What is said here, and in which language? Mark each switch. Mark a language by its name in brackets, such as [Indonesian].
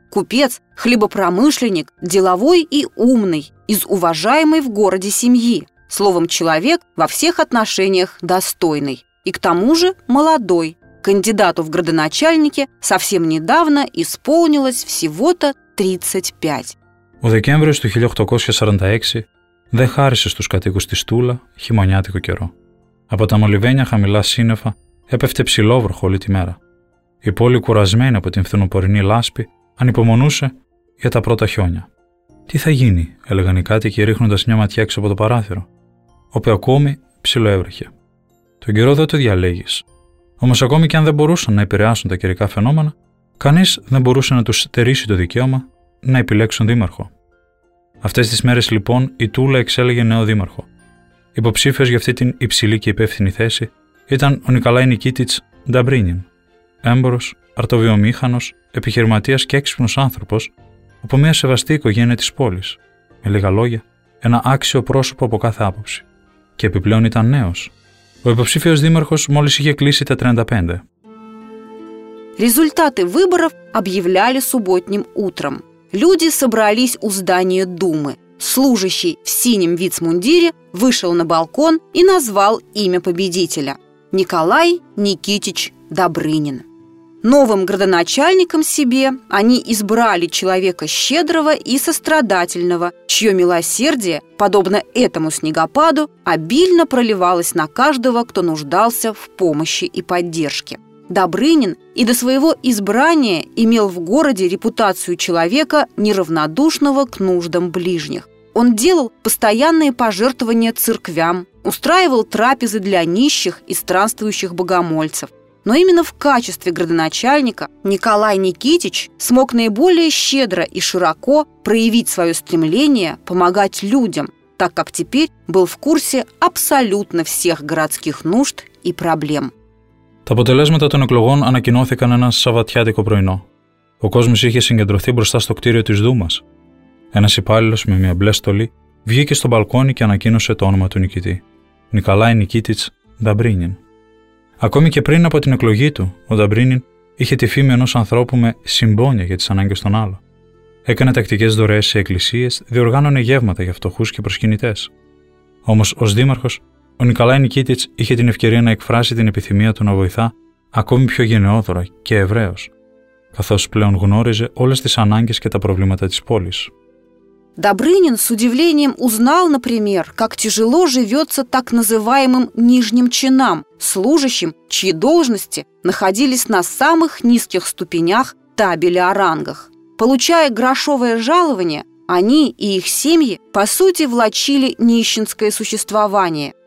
[Russian] Купец, хлебопромышленник, деловой и умный, из уважаемой в городе семьи. Словом, человек во всех отношениях достойный. И к тому же молодой. Кандидату в градоначальники совсем недавно исполнилось всего-то 35. [Greek] Ο Δεκέμβριος του 1846 δεν χάρισε στους κατοίκους της Τούλα χειμωνιάτικο καιρό. Από τα μολυβένια χαμηλά σύννεφα έπεφτε ψηλόβροχο όλη τη μέρα. Η πόλη κουρασμένη από την φθινοπορεινή λάσπη ανυπομονούσε για τα πρώτα χιόνια. «Τι θα γίνει», έλεγαν οι κάτοικοι ρίχνοντας μια ματιά έξω από το παράθυρο, όπου ακόμη ψιλοέβρεχε. «Τον καιρό δεν το διαλέγεις». Όμως ακόμη και αν δεν μπορούσαν να επηρεάσουν τα καιρικά φαινόμενα, κανείς δεν μπορούσε να τους στερήσει το δικαίωμα να επιλέξουν δήμαρχο. Αυτές τις μέρες λοιπόν η Τούλα εξέλεγε νέο δήμαρχο. Υποψήφιος για αυτή την υψηλή και υπεύθυνη θέση ήταν ο Νικολάη Νικίτιτς Νταμπρίνιν, έμπορος, αρτοβιομήχανος, επιχειρηματίας και έξυπνος άνθρωπος από μια σεβαστή οικογένεια της πόλης. Με λίγα λόγια, ένα άξιο πρόσωπο από κάθε άποψη. Και επιπλέον ήταν νέος. Ο υποψήφιος δήμαρχος μόλις είχε κλείσει τα 35. [Russian] Результаты выборов объявляли субботним утром. Люди собрались у здания Думы. Служащий в синем вицмундире вышел на балкон и назвал имя победителя – Николай Никитич Добрынин. Новым градоначальником себе они избрали человека щедрого и сострадательного, чье милосердие, подобно этому снегопаду, обильно проливалось на каждого, кто нуждался в помощи и поддержке. Добрынин и до своего избрания имел в городе репутацию человека, неравнодушного к нуждам ближних. Он делал постоянные пожертвования церквям, устраивал трапезы для нищих и странствующих богомольцев. Но именно в качестве градоначальника Николай Никитич смог наиболее щедро и широко проявить свое стремление помогать людям, так как теперь был в курсе абсолютно всех городских нужд и проблем. [Greek] Τα αποτελέσματα των εκλογών ανακοινώθηκαν ένα σαββατιάτικο πρωινό. Ο κόσμος είχε συγκεντρωθεί μπροστά στο κτίριο της Δούμας. Ένας υπάλληλος με μια μπλε στολή βγήκε στο μπαλκόνι και ανακοίνωσε το όνομα του νικητή, Νικολάη Νικίτιτς Νταμπρίνιν. Ακόμη και πριν από την εκλογή του, ο Νταμπρίνιν είχε τη φήμη ενός ανθρώπου με συμπόνια για τις ανάγκες των άλλων. Έκανε τακτικές δωρεές σε εκκλησίες, διοργάνωνε γεύματα για φτωχούς και προσκυνητές. Όμως ως δήμαρχος, ο Νικολάη Νικίτιτς είχε την ευκαιρία να εκφράσει την επιθυμία του να βοηθά ακόμη πιο γενναιόδωρα και ευρέως, καθώς πλέον γνώριζε όλες τις ανάγκες και τα προβλήματα της πόλης. [Russian] Добрынин с удивлением узнал, например, как тяжело живется так называемым нижним чинам, служащим, чьи должности находились на самых низких ступенях табеля о рангах. Получая грошовое жалование, они и их семьи, по сути, влачили нищенское существование.